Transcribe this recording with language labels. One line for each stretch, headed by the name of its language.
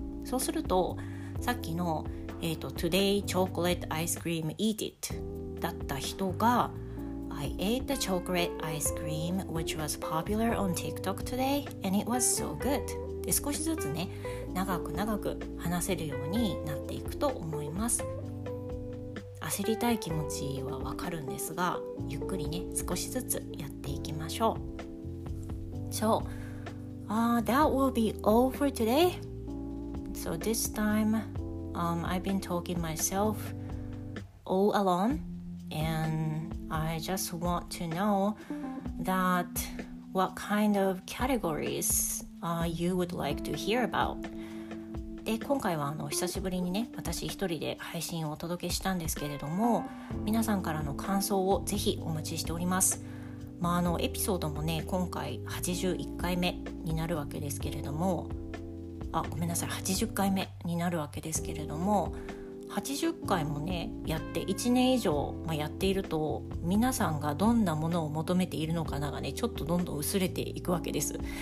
Japanese: そうすると、さっきの
English: Today chocolate ice cream eat it
Japanese: だった人が、
English: I ate the chocolate ice cream which was popular on TikTok today and it was so good
Japanese: で、少しずつね、長く長く話せるようになっていくと思います。焦りたい気持ちはわかるんですが、ゆっくりね、少しずつやっていきましょう。
English: So, that will be all for today. So this time, I've been talking myself all alone, and I just want to know that what kind of categories you would like to hear about.
Japanese: で、今回は久しぶりにね、私一人で配信をお届けしたんですけれども、皆さんからの感想をぜひお待ちしております。エピソードもね、今回81回目になるわけですけれども、80回目になるわけですけれども、80回もね、やって1年以上、やっていると、皆さんがどんなものを求めているのかながね、ちょっとどんどん薄れていくわけです。